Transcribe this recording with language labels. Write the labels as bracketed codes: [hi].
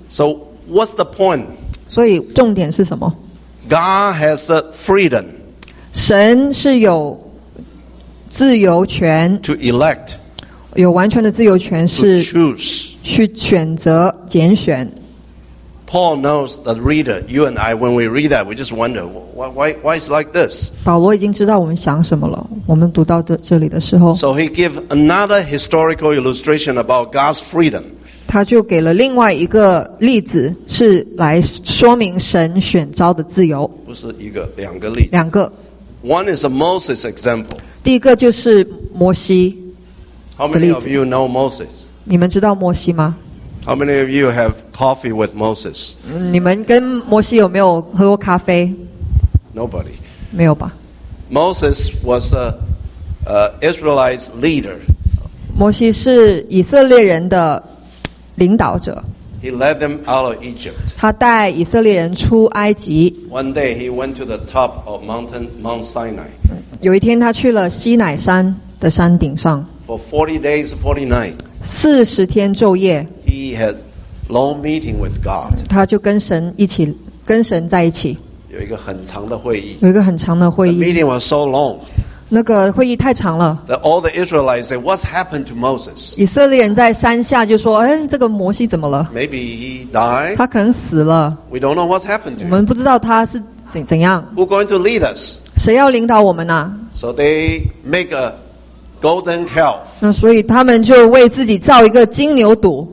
[en] So what's the point? [zh] 所以重点是什么？ [en] God has the freedom. [zh] 神是有自由权。 [en] To elect. [zh] 有完全的自由权是去选择拣选。 [en] Paul knows the reader, you and I, when we read that, we just wonder why is like this. [zh] 保罗已经知道我们想什么了。我们读到这里的时候。 [en] So he gave another historical illustration about God's freedom. [zh] 他就给了另外一个例子，是来说明神选召的自由。不是一个，两个例子。两个。 [en] One is a Moses example. [zh] 第一个就是摩西。 [en] How many of you know Moses? [zh] 你们知道摩西吗？ [en] How many of you have coffee with Moses? [zh] 你们跟摩西有没有喝过咖啡？ [en] Nobody. [zh] 没有吧？ [en] Moses was an Israelite leader. [zh] 摩西是以色列人的领导者。 [en] He led them out of Egypt. [zh] 他带以色列人出埃及。 [en] One day he went to the top of Mount Sinai. [zh] 有一天他去了西乃山的山顶上。 [en] For 40 days, 40 nights. [zh] 四十天昼夜。 [en] He had long meeting with God. [zh] 他就跟神一起，跟神在一起。有一个很长的会议。有一个很长的会议。 [en] The meeting was so long. [zh] 那个会议太长了。 [en] That all the Israelites say, "What's happened to Moses?" [zh] 以色列人在山下就说：“哎，这个摩西怎么了 [en] ？”Maybe he died. [zh] 他可能死了。 [en] We don't know what's happened to him. [zh] 我们不知道他是怎样。 [en] Who's going to lead us? [zh] 谁要领导我们呢 [en] ？So they make a golden calf. [zh] 那所以他们就为自己造一个金牛犊。